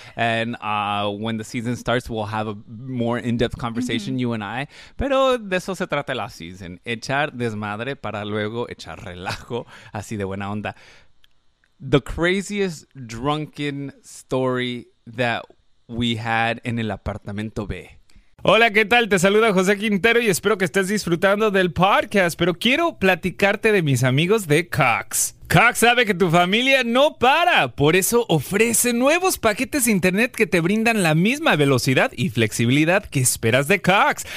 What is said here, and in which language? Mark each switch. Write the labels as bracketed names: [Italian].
[English] And when the season starts, we'll have a more in-depth conversation, mm-hmm, you and I. [Spanish] Pero de eso se trata la season. Echar desmadre para luego echar relajo, así de buena onda. [English] The craziest drunken story that we had in [Spanish] el apartamento B. Hola, ¿qué tal? Te saluda José Quintero y espero que estés disfrutando del podcast, pero quiero platicarte de mis amigos de Cox. Cox sabe que tu familia no para, por eso ofrece nuevos paquetes de internet que te brindan la misma velocidad y flexibilidad que esperas de Cox.